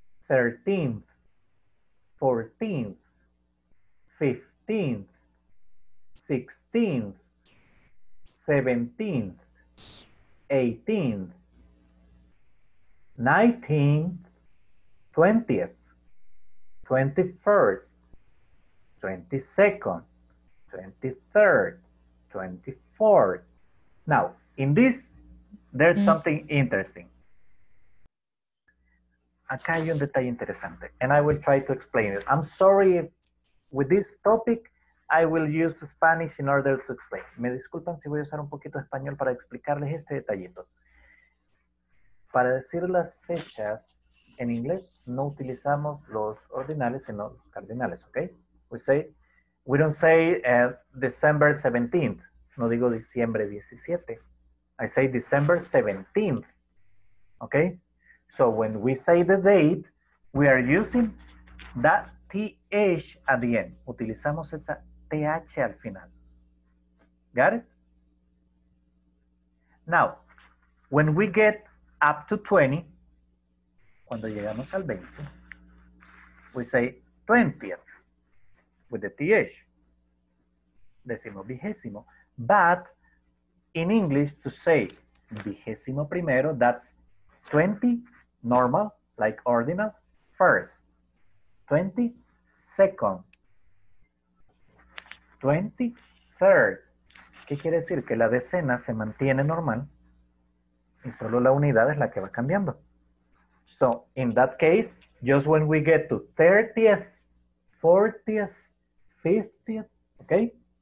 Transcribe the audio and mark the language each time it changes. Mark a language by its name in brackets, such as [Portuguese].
[English] 13th, 14th, 15th, 16th, 17th, 18th, 19th, 20th, 21st, 22nd, 23rd, 24th. Now, in this, there's something interesting. [Spanish] Acá hay un detalle interesante, [English] and I will try to explain it. I'm sorry if with this topic, I will use Spanish in order to explain. [Spanish] Me disculpan si voy a usar un poquito de español para explicarles este detallito. Para decir las fechas en inglés, no utilizamos los ordinales, sino los cardinales, ¿ok? [English] We don't say December 17th. [Spanish] No digo diciembre 17. [English] I say December 17th, ¿ok? So when we say the date, we are using that TH at the end. [Spanish] Utilizamos esa TH al final. [English] Got it? Now, when we get up to 20, [Spanish] cuando llegamos al 20, [English] we say 20th with the TH. [Spanish] Decimos vigésimo. [English] But in English, to say [Spanish] vigésimo primero, [English] that's 20 normal, like ordinal, first. 20 second. [Spanish] 23rd. ¿Qué quiere decir? Que la decena se mantiene normal y solo la unidad es la que va cambiando. [English] So, in that case, just when we get to 30th, 40th, 50th, okay?